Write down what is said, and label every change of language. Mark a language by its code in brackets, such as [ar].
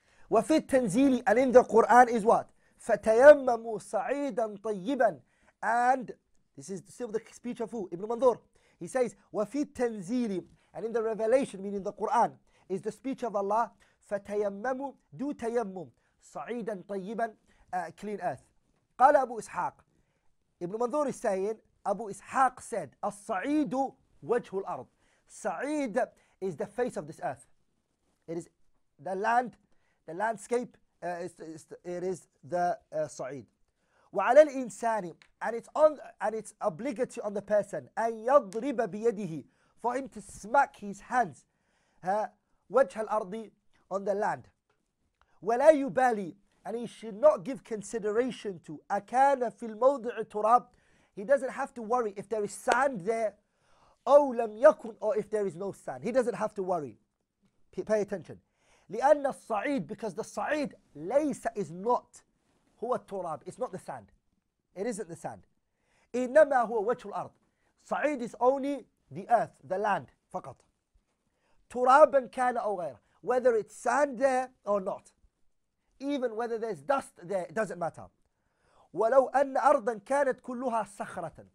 [en] وفي التنزيل, and in the Quran is what? [ar] فتيمموا صعيدا طيبا. [en] And this is still the speech of who? Ibn Manzur. He says, وفي التنزيل, and in the revelation, meaning the Quran, is the speech of Allah. فتيمموا, do تيمم صعيدا طيبا, clean earth. قال أبو إسحاق, Ibn Manzur is saying, Abu Ishaq said, As-sa'idu wajhu al-ard. Sa'id is the face of this earth. It is the land, the landscape, it is the sa'id. وَعَلَى الْإِنسَانِ, and it's obligatory on the person, أَن يَضْرِبَ بِيَدِهِ, for him to smack his hands, وَجْهَ الْأَرْضِ, on the land. وَلَا يُبَالِي, and he should not give consideration to, أَكَانَ فِي الْمَوْضِعِ تُرَابِ, he doesn't have to worry if there is sand there, أو لم يكن, or if there is no sand. He doesn't have to worry. Pay attention. لأن الصعيد, because the صعيد ليس is not هو التراب. It's not the sand. It isn't the sand. إنما هو وجه الأرض. صعيد is only the earth, the land, فقط. [ar] ترابا كان أو غيره. [en] Whether it's sand there or not. Even whether there's dust there, it doesn't matter. [ar] وَلَوْ أَنَّ أَرْضًا كَانَتْ كُلُّهَا صَخْرَةً.